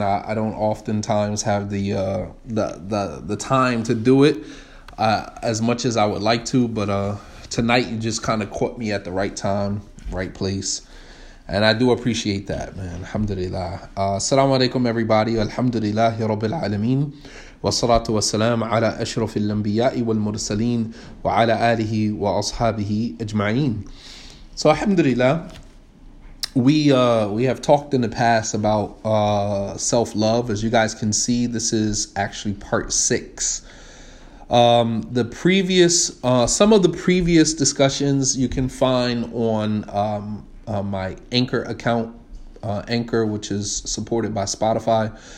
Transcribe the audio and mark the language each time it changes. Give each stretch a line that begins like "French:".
English: I don't oftentimes have the time to do it as much as I would like to, but tonight you just kind of caught me at the right time, right place, and I do appreciate that, man.
Arabic: Alhamdulillah. Assalamu alaikum, everybody. Alhamdulillah, rabbil alameen. والصلاة والسلام على أشرف الأنبياء والمرسلين وعلى آله وأصحابه أجمعين.
English: So alhamdulillah, we have talked in the past about self-love. As you guys can see, this is actually part 6. The previous some of the previous discussions you can find on my Anchor account, Anchor, which is supported by Spotify.